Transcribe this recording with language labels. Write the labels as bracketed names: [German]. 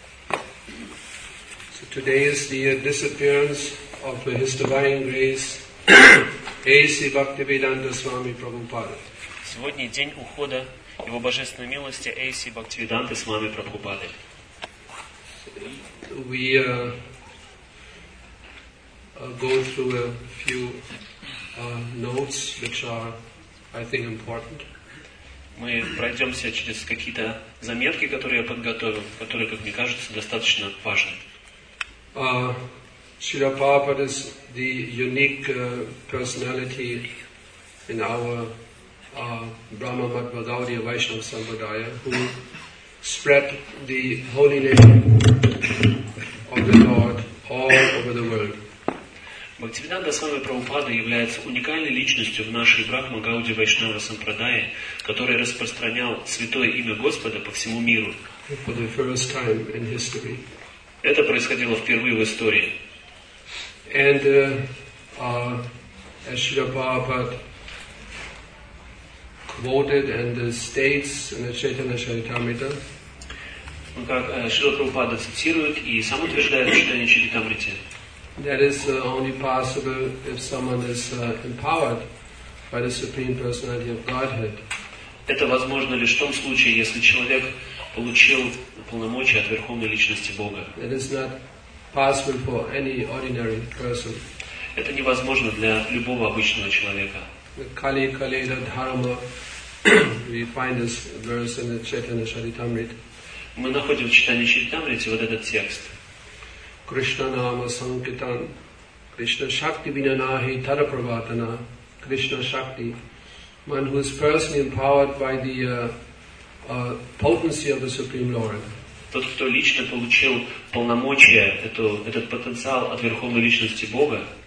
[English] So today is the disappearance of his divine grace A.C. Bhaktivedanta Swami Prabhupada. [Russian] Сегодня день ухода его божественной милости A.C. Bhaktivedanta Swami Prabhupada. [English] We go through a few notes which are, I think, important. [Russian] Мы пройдемся через какие-то заметки, которые я подготовил, которые, как мне кажется, достаточно важны. [English] Srila Prabhupada is the unique personality in our Brahma Madhvadaudi Vaishnava Sampradaya who spread the holy name of the Lord all over the world. [Russian] Bhaktivedanta Swami Prabhupada является уникальной личностью в нашей Брахма Гауди Вайшнава Сампрадая, который распространял святое имя Господа по всему миру. [English] For the first time in history. [Russian] Это происходило впервые в истории. [English] And as Srila Prabhupada quoted and states in the Chaitanya Charitamrita, that is only possible if someone is empowered by the Supreme Personality of Godhead. [Russian] Это возможно лишь в том случае, если человек получил полномочия от Верховной Личности Бога. [English] It is not possible for any ordinary person. [Russian] Это невозможно для любого обычного человека. [Sanskrit] Kali kaleda dharma, [English] we find this verse in the Chaitanya Charitamrita. [Russian] Мы находим в Чайтанья Чаритамрите вот этот текст. [Sanskrit] Krishna nama sankirtan, Krishna shakti [English] vinanahi tadapravatana, Krishna shakti, one who is personally empowered by the potency of the Supreme Lord. [Russian] Тот, кто лично получил полномочия, этот потенциал от Верховной Личности Бога,